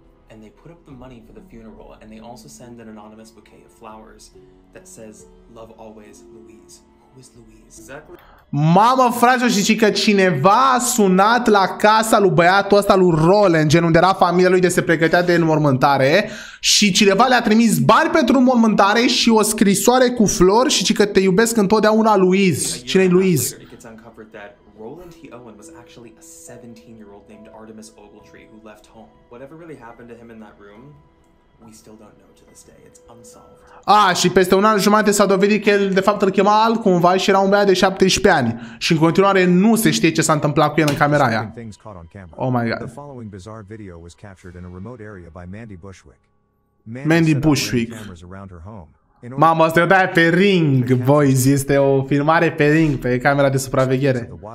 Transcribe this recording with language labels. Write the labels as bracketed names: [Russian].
[English] And they put up the money for the funeral and they also send an anonymous bouquet of flowers that says love always Louise. Who is Louise? Exactly. [Romanian] Mamă, fraților, și că cineva a sunat la casa lui băiatul ăsta lui Roland, gen, unde era familia lui de se pregătea de înmormântare, și cineva le-a trimis bani pentru înmormântare și o scrisoare cu flori și că te iubesc întotdeauna, Louise. Cine e Louise? [English] Roland T. Owen was actually a 17-year-old named Artemis Ogletree who left home. Whatever really happened to him in that room, we still don't know to this day. It's unsolved. [Romanian] Și peste un an jumate s-a dovedit că el de fapt îl chema altcumva și era un băiat de 17 ani. Și în continuare nu se știe ce s-a întâmplat cu el în camera aia. [English] Oh my god. The following bizarre video was captured in a remote area by Mandy Bushwick. Mandy Bushwick. [Romanian] Mamă, asta e o daie pe Ring, boys, este o filmare pe Ring, pe camera de supraveghere.